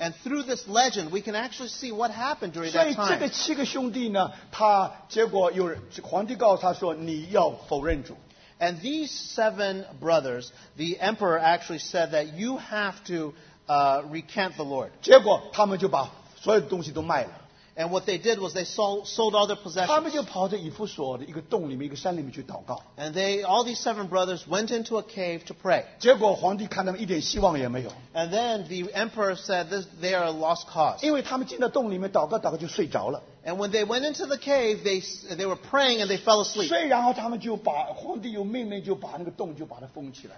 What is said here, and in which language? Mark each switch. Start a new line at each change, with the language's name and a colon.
English: And through this legend, we can actually see what happened during that time.
Chinese: 所以这个七个兄弟呢,他,结果有,皇帝告诉他说,你要否认主。
English: And these 7 brothers, the emperor actually said that you have to recant the Lord.
Chinese: 结果他们就把所有东西都卖了。
English: And what they did was they sold all their possessions.
Chinese: 他们就跑到以弗所的一个洞里面,一个山里面去祷告。
English: And they, all these 7 brothers went into a cave to pray.
Chinese: 结果皇帝看他们一点希望也没有。
English: And then the emperor said this, they are a lost cause.
Chinese: 因为他们进到洞里面祷告,祷告就睡着了。
English: And when they went into the cave, they were praying and they fell asleep.
Chinese: 所以然后他们就把, 皇帝有命令就把那个洞就把它封起来。